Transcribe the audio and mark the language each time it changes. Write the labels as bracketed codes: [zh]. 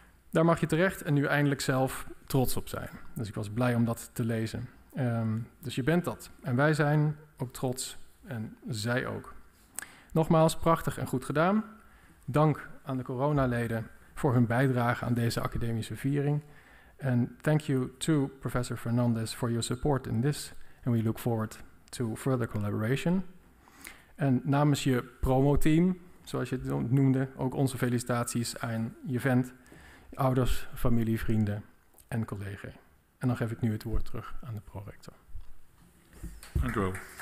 [nl] Daar mag je terecht en nu eindelijk zelf trots op zijn. Dus ik was blij om dat te lezen. Dus je bent dat. En wij zijn ook trots. En zij ook. Nogmaals, prachtig en goed gedaan. Dank aan de coronaleden voor hun bijdrage aan deze academische viering. [en] And thank you to Professor Fernandez for your support in this. And we look forward to further collaboration. [nl] En namens je promoteam, zoals je het noemde, ook onze felicitaties aan je vent, ouders, familie, vrienden en collega's. En dan geef ik nu het woord terug aan de prorector. Dank u wel.